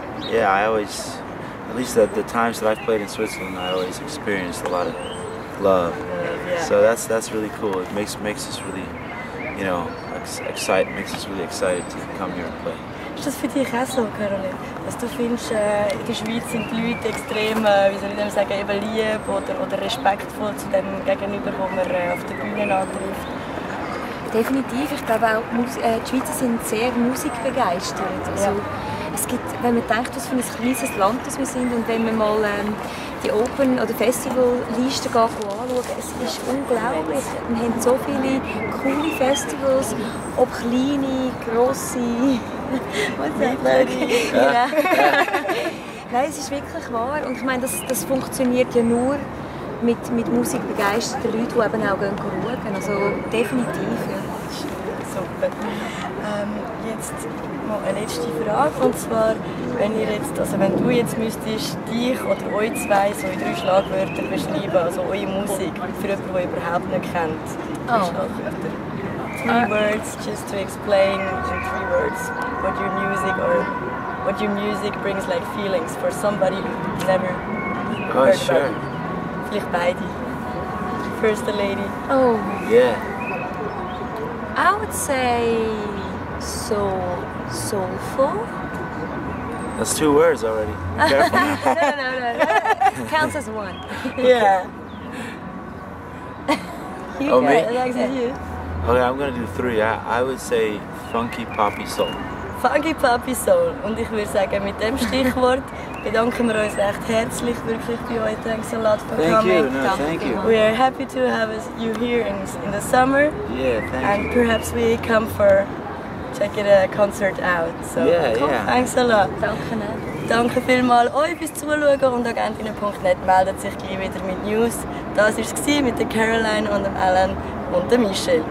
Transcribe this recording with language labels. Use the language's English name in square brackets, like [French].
[English] Yeah, I always, at least at the times that I've played in Switzerland, I always experienced a lot of love. Yeah. So that's really cool. It makes us really, you know, excited. Makes us really excited to come here and play. [German] Ist das für dich auch so, Caroline? Dass du findest, in der Schweiz sind die Leute extrem, wie soll ich denn sagen, eben lieb oder respektvoll zu dem Gegenüber, wo man auf der Bühne antrifft? Definitiv. Ich glaube auch, die Schweizer sind sehr musikbegeistert. Also, ja. Es gibt, wenn man denkt, was für ein kleines Land das wir sind, und wenn man mal die Open- oder Festival-Liste anschaut, es ist unglaublich. Wir haben so viele coole Festivals, ob kleine, grosse. Was ist das? Nein, es ist wirklich wahr. Und ich meine, das funktioniert ja nur mit musikbegeisterten Leuten, die eben auch schauen. Also definitiv. Ja. Jetzt noch eine letzte Frage, und zwar, wenn ihr jetzt, also wenn du jetzt müsstest, dich oder euch zwei so in drei Schlagwörter beschreiben, also eure Musik, für jemanden, den ihr überhaupt nicht kennt, Schlagwörter. [English] Three words, just to explain in three words, what your music or what your music brings like feelings for somebody who never heard about it. [German] Vielleicht beide. [English] First the lady. Oh. Yeah. I would say so soulful. That's two words already. Be careful. No. Counts as one. Yeah. Oh, me? Yeah. Okay, I'm gonna do three. I would say funky poppy soul. Funky poppy soul. [German] Und ich würde sagen, mit dem Stichwort bedanken wir uns echt herzlich wirklich bei euch. [English] Thanks a lot for thank coming. You. No, thank you. We are happy to have you here in the summer. Yeah, thank and you. And perhaps we come for checking a concert out. So yeah, cool. Yeah. Thanks a lot. [German] Danke vielmals euch fürs Zuschauen und agentinnen.net meldet sich gleich wieder mit News. Das war es mit der Caroline und dem Alain und der Michelle.